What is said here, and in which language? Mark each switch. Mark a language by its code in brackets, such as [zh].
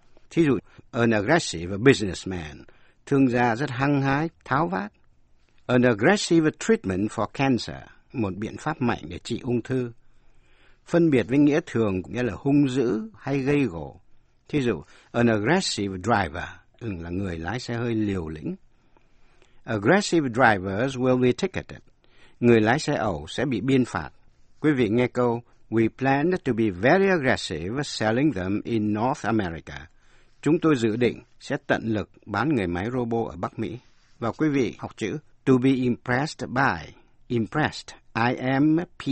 [vi] Thí dụ, [en] an aggressive businessman, [vi] thương gia rất hăng hái, tháo vát. [en] An aggressive treatment for cancer, [vi] một biện pháp mạnh để trị ung thư. Phân biệt với nghĩa thường nghĩa là hung dữ hay gây gổ. Thí dụ, [en] an aggressive driver [vi] là người lái xe hơi liều lĩnh. [en] Aggressive drivers will be ticketed. [vi] Người lái xe ẩu sẽ bị biên phạt. Quý vị nghe câu, [en] we plan to be very aggressive selling them in North America. [vi] Chúng tôi dự định sẽ tận lực bán người máy robot ở Bắc Mỹ. Và quý vị học chữ [en] to be impressed by. [vi] Impressed, I-M-P-R-E-S-S-E-D.